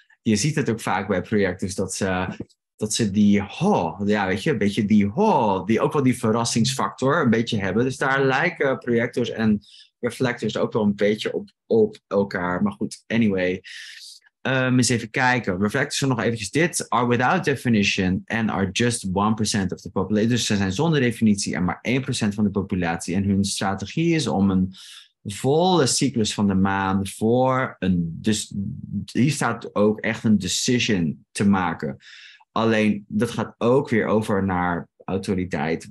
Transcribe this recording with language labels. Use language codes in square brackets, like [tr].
[nl] Je ziet het ook vaak bij projecten dat ze die ho, ja, weet je, een beetje die ho, die ook wel die verrassingsfactor een beetje hebben. Dus daar lijken projectors en reflectors ook wel een beetje op elkaar. Maar goed, anyway, eens even kijken. Reflectors zijn nog eventjes dit. [en] Are without definition and are just 1% of the population. [nl] Dus ze zijn zonder definitie en maar 1% van de populatie. En hun strategie is om een volle cyclus van de maan voor een... Dus hier staat ook echt een decision te maken. Alleen, dat gaat ook weer over naar autoriteit.